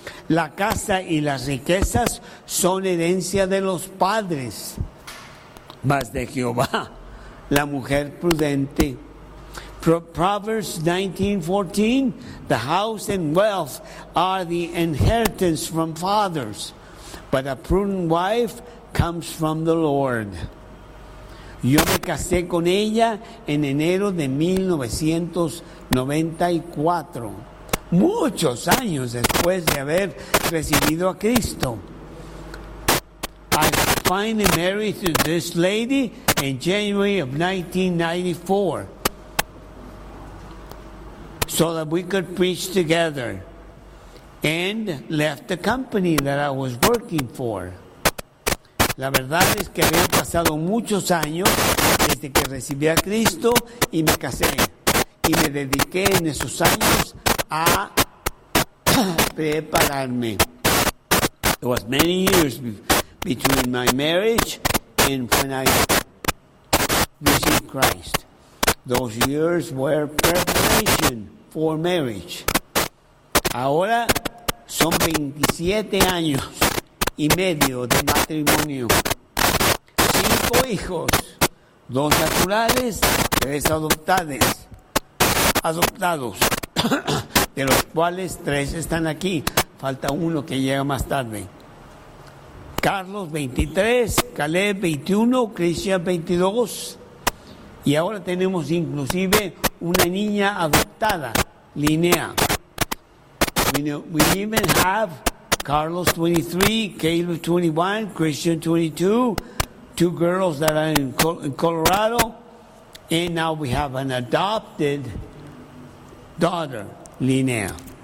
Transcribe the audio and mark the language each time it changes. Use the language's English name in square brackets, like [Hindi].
[Spanish] La casa y las riquezas son herencia de los padres, mas de Jehová la mujer prudente. [English] Proverbs 19:14, the house and wealth are the inheritance from fathers, but a prudent wife comes from the Lord. [Spanish] Yo me casé con ella en enero de 1994, muchos años después de haber recibido a Cristo. [English] I finally married this lady in January of 1994. So that we could preach together, and left the company that I was working for. [Spanish] La verdad es que habían pasado muchos años desde que recibí a Cristo y me casé, y me dediqué en esos años a prepararme. [English] It was many years between my marriage and when I received Christ. Those years were preparation for marriage. [Spanish] Ahora son 27 años y medio de matrimonio. 5 hijos, 2 naturales, 3 adoptados. Adoptados, de los cuales 3 están aquí. Falta uno que llega más tarde. Carlos 23, Caleb 21, Christian 22. Y ahora tenemos inclusive una niña adoptada, Linnea. [English] We even have Carlos 23, Caleb 21, Christian 22, 2 girls that are in Colorado, and now we have an adopted daughter, Linnea.